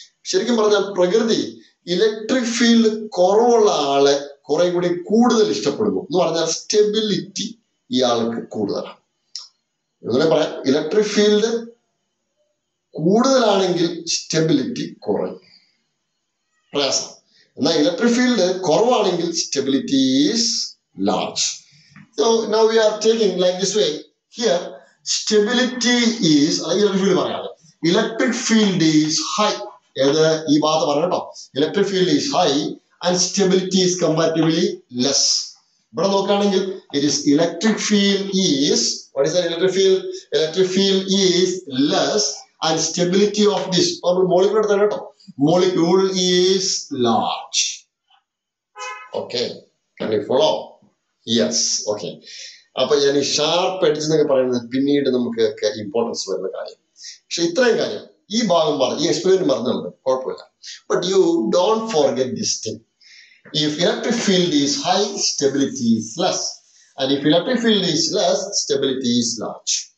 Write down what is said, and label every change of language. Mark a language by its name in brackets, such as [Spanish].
[Malayalam] ശരിക്കും പറഞ്ഞാൽ പ്രകൃതി ഇലക്ട്രിക് ഫീൽഡ് കുറവുള്ള ആളെ കുറെ കൂടി കൂടുതൽ ഇഷ്ടപ്പെടുന്നു എന്ന് പറഞ്ഞാൽ സ്റ്റെബിലിറ്റി ഇയാൾക്ക് കൂടുതലാണ്. ഇങ്ങനെ പറയാം, ഇലക്ട്രിക് ഫീൽഡ് കൂടുതലാണെങ്കിൽ സ്റ്റെബിലിറ്റി കുറയും, പ്രയാസം. എന്നാൽ ഇലക്ട്രിക് ഫീൽഡ് കുറവാണെങ്കിൽ [English] Stability is large. So now we are taking like this way. Here, stability is electric field. Electric field is high. Electric field is high and stability is comparatively less. But it is electric field is, what is that electric field? Electric field is less and stability of this molecule is large. Okay, can you follow? Yes, okay. [Malayalam] അപ്പൊ ഞാൻ ഈ sharp edge എന്നൊക്കെ പറയുന്നത് പിന്നീട് നമുക്ക് importance വരുന്ന കാര്യം. പക്ഷെ ഇത്രയും കാര്യം ഈ ഭാഗം പറഞ്ഞു, ഈ എക്സ്പെരിമെന്റ് പറഞ്ഞിട്ടുണ്ട്, കുഴപ്പമില്ല. [English] But you don't forget this thing, if electric field is high, stability is less, and if electric field is less, stability is large.